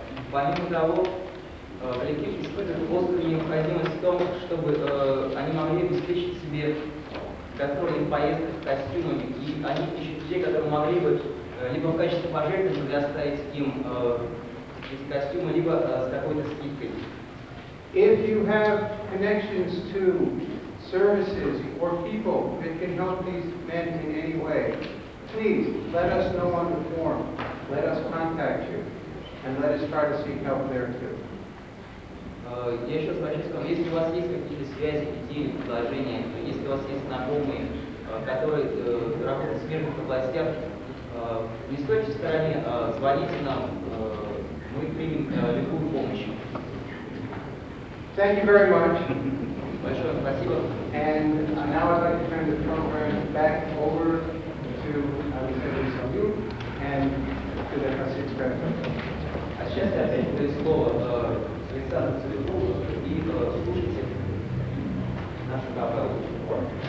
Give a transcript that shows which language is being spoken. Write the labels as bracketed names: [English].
[Russian] Помимо того, коллектив испытывает острую необходимость в том, чтобы они могли обеспечить себе гастрольные поездки в костюмами, и они ищут людей, которые могли бы либо в качестве пожертвования предоставить им эти костюмы, либо с какой-то скидкой. [English] If you have connections to services or people that can help these men in any way, please let us know on the form, let us contact you, and let us try to seek help there too. [Russian] Я еще спрошу, если у вас есть какие-то связи, идеи, предложения, если у вас есть знакомые, которые работают в смежных областях, не стойте в стороне, звоните нам. Мы примем любую помощь. [English] Thank you very much. [Russian] Большое спасибо. [English] And now I'd like to turn the program back over to Tsaliuk and to the Hasidic Cappella. [Russian] А сейчас я передаю слово Александру Цветкову и слушайте нашу капеллу.